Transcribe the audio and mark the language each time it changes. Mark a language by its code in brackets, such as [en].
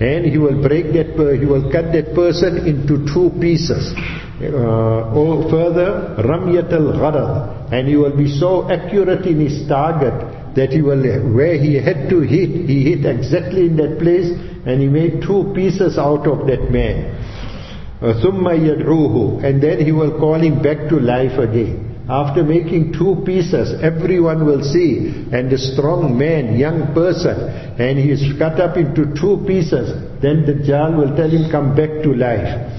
[en] And he will break that, he will cut that person into two pieces. Further, [ar] رَمْيَةَ الْغَرَضِ. [en] And he will be so accurate in his target that he will, where he had to hit, he hit exactly in that place, and he made two pieces out of that man. [ar] ثُمَّ يَدْعُوهُ. [en] And then he will call him back to life again. After making two pieces, everyone will see, and the strong man, young person, and he is cut up into two pieces, then the Dajjal will tell him, come back to life.